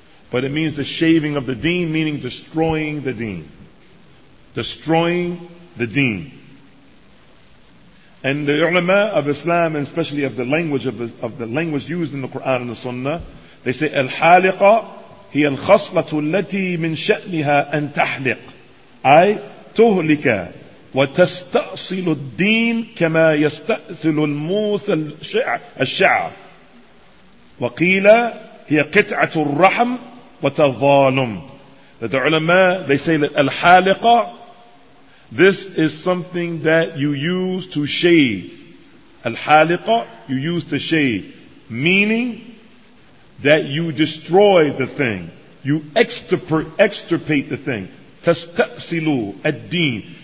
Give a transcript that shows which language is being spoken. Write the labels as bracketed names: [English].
[English] But it means the shaving of the deen, meaning destroying the deen. Destroying the deen. And the ulama of Islam, and especially of the language used in the Quran and the Sunnah, they say, Al-Haliqa [Arabic] هي الخصلة التي من شأنها أن تحلق أي تهلك وتستأصل الدين كما يستأصل الموث الشعر. وقيل هي قطعة الرحم وتظالم. [English] The ulama, they say that al-haliqa, this is something that you use to shave. Al-haliqa, you use to shave. Meaning that you destroy the thing. You extirpate the thing. [Arabic] Tastasilu ad-deen.